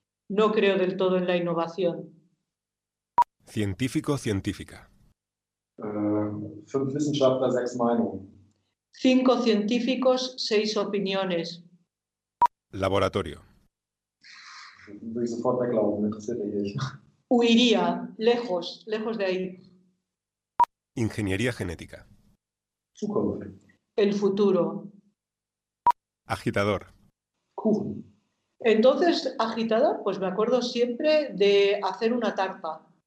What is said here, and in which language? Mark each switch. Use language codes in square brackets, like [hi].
[es] No creo del todo en la innovación. Científico, científica. [de] Fünf Wissenschaftler, sechs Meinungen. [es] Cinco científicos, seis opiniones. Laboratorio. [de] Würde ich sofort weglaufen, interessiert mich nicht. [es] Huiría, lejos, lejos de ahí. Ingeniería genética. [de] Zukunft. [es] El futuro. Agitador. [de] Kuchen. [es] Entonces, agitador, pues me acuerdo siempre de hacer una tarta.